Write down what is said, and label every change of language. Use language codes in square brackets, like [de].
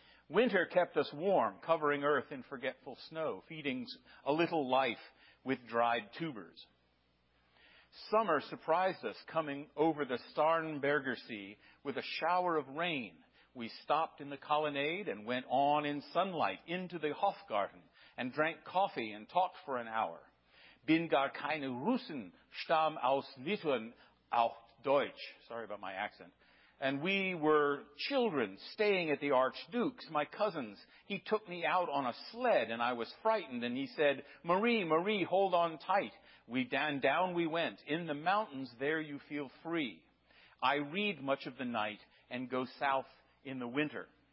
[en] Winter kept us warm, covering earth in forgetful snow, feeding a little life with dried tubers. Summer surprised us, coming over the Starnberger See with a shower of rain. We stopped in the colonnade and went on in sunlight into the Hofgarten and drank coffee and talked for an hour. [de] Bin gar keine Russen, stamm aus Litauen, auch Deutsch. [en] Sorry about my accent. And we were children staying at the Archduke's, my cousins. He took me out on a sled, and I was frightened, and he said, Marie, hold on tight. Down we went. In the mountains, there you feel free. I read much of the night and go south in the winter.